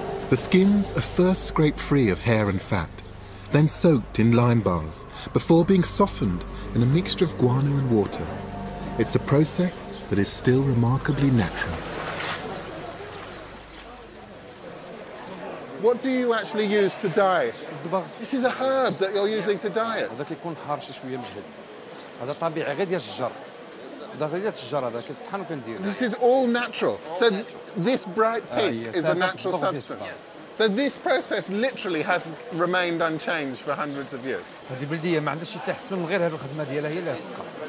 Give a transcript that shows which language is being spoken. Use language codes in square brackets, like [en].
[en] The skins are first scraped free of hair and fat, then soaked in lime bars, before being softened in a mixture of guano and water. It's a process that is still remarkably natural. What do you actually use to dye? This is a herb that you're using to dye it. [ar] هذا كيكون حارش شويه مجهد. هذا طبيعي غير ديال الشجر. هذا غير ديال الشجر هذا كيطحن وكندير. [en] This is all natural. So this bright pink is a natural substance. So this process literally has remained unchanged for hundreds of years. [ar] هذه البلديه ما عندهاش شي تحسن غير هذه الخدمه ديالها هي اللي تبقى.